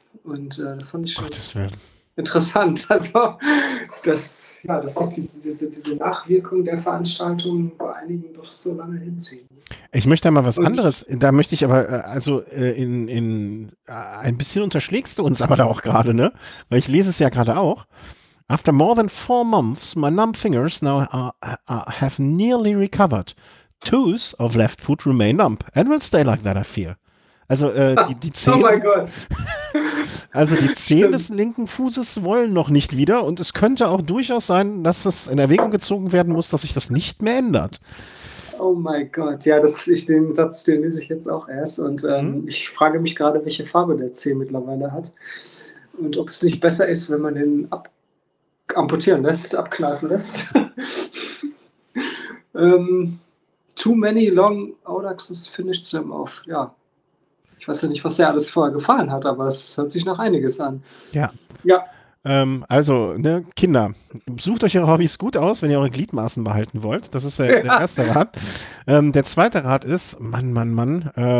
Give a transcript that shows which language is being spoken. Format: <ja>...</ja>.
<de>Und da fand ich schon interessant. Also, dass sich diese Nachwirkung der Veranstaltung bei einigen doch so lange hinziehen. Ich möchte mal was anderes. Da möchte ich aber, also ein bisschen unterschlägst du uns aber da auch gerade, ne? Weil ich lese es ja gerade auch.</de> <en>After more than 4 months, my numb fingers now have nearly recovered. 2 of left foot remain numb and will stay like that, I fear.</en> <de>Also die Zehen. Oh mein Gott. Also die Zehen des linken Fußes wollen noch nicht wieder und es könnte auch durchaus sein, dass das in Erwägung gezogen werden muss, dass sich das nicht mehr ändert. Oh mein Gott, ja, den Satz, den lese ich jetzt auch erst und ich frage mich gerade, welche Farbe der Zeh mittlerweile hat und ob es nicht besser ist, wenn man den amputieren lässt, abkneifen lässt.</de> <en>too many long Audaxes finished them off.</en> <de>Ja. Ich weiß ja nicht, was der alles vorher gefahren hat, aber es hört sich nach einiges an. Ja. Ja. Also, ne, Kinder, sucht euch eure Hobbys gut aus, wenn ihr eure Gliedmaßen behalten wollt. Das ist der erste Rat. Der zweite Rat ist, Mann.</de>